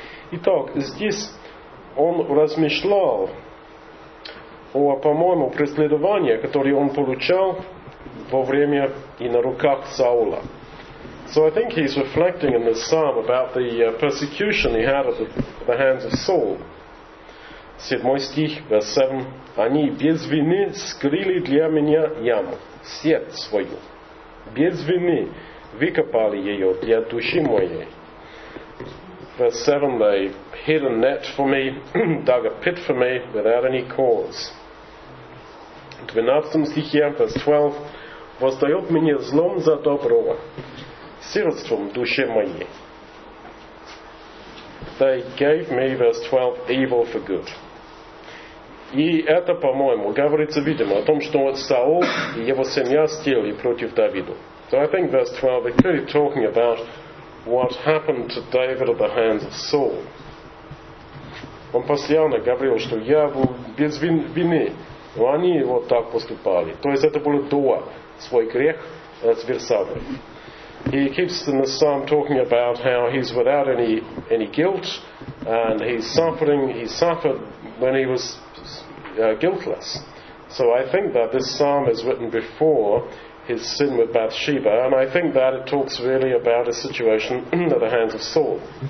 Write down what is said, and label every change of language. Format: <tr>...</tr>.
<ru>Итак, здесь он размышлял о, по-моему, преследовании, которое он получал во время и на руках Саула.</ru> <en>So I think he's reflecting in this psalm about the persecution he had at the hands of Saul.</en> <ru>7 стих,</ru> <en>verse 7.</en> <ru>Они без вины скрыли для меня яму, сеть свою. Без вины выкопали ее для души моей.</ru> <en>Verse 7. They hid a net for me, dug a pit for me without any cause.</en> <ru>12 стихе,</ru> <en>verse 12.</en> <ru>Воздает мне злом за доброго, сиротством души моей.</ru> <en>They gave me, verse 12, evil for good.</en> <ru>И это, по-моему, говорится, видимо, о том, что Саул и его семья стили против Давида.</ru> <en>So I think verse 12 is clearly talking about what happened to David at the hands of Saul.</en> <ru>Он постоянно говорил, что я был без вины, но они вот так поступали. То есть это было до свой грех с Версавой.</ru> <en>He keeps in the psalm talking about how he's without any guilt, and he suffered when he was guiltless. So I think that this psalm is written before his sin with Bathsheba, and I think that it talks really about a situation at the hands of Saul.</en>